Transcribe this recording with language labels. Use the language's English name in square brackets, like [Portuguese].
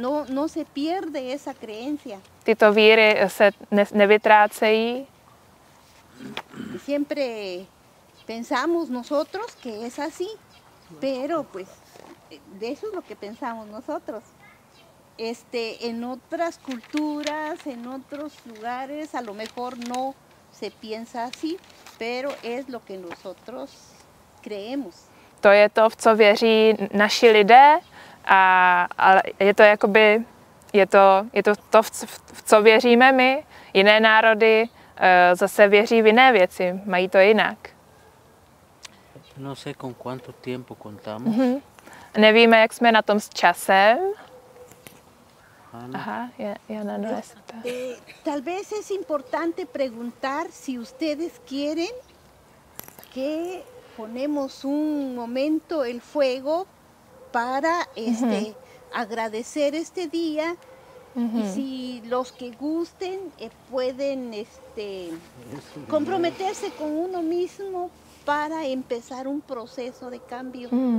[Spanish] No se pierde esa creencia. [Czech] Tyto víry se nevytrácejí. [Spanish] Siempre pensamos nosotros que es así, pero pues de eso es lo que pensamos nosotros. En otras culturas, en otros lugares, a lo mejor no se piensa así, pero es lo que nosotros creemos. [Czech] To je to, v co věří naši lidé, a je to jakoby je to, v co věříme my. Jiné národy zase věří v jiné věci, mají to jinak. [Spanish] No sé con cuánto tiempo contamos. Mm-hmm. [Czech] Nevíme, jak jsme na tom s časem. [Spanish] Ana. Aha, Jana, no es. Tal vez es importante preguntar si ustedes quieren que ponemos un momento el fuego para agradecer este día. Y si los que gusten pueden comprometerse con uno mismo para empezar un proceso de cambio.